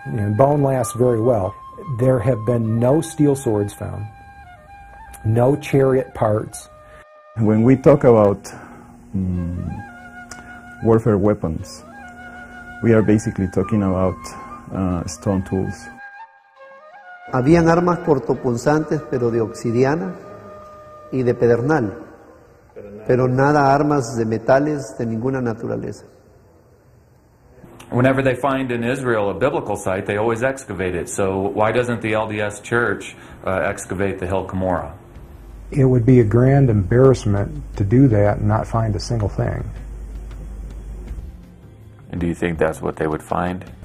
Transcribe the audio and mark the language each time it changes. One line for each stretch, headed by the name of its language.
English: You know, bone lasts very well. There have been no steel swords found, no chariot parts. When we talk about warfare weapons, we are basically talking about stone tools.
Spanish: Habían armas cortopunzantes, pero de obsidiana y de pedernal, pero nada armas de metales de ninguna naturaleza.
English: Whenever they find in Israel a biblical site, they always excavate it. So why doesn't the LDS Church excavate the Hill Cumorah? It would be a grand embarrassment to do that and not find a single thing. And do you think that's what they would find?